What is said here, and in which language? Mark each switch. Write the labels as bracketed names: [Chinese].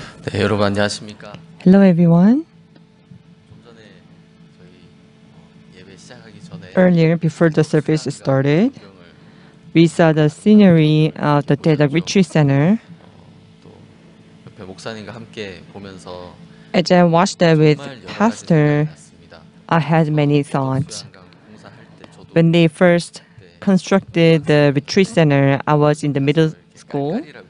[Korean] 네, 여러분 안녕하십니까? [English] Hello everyone. [Korean] 좀 전에 저희 예배 시작하기 전에 [English] Earlier before the service started, we saw the scenery of the Dead of Retreat Center. [Korean] 또 옆에 목사님과 함께 보면서 [English] As I watched that with pastor, I had many thoughts. When they first constructed the retreat center, I was in the middle school.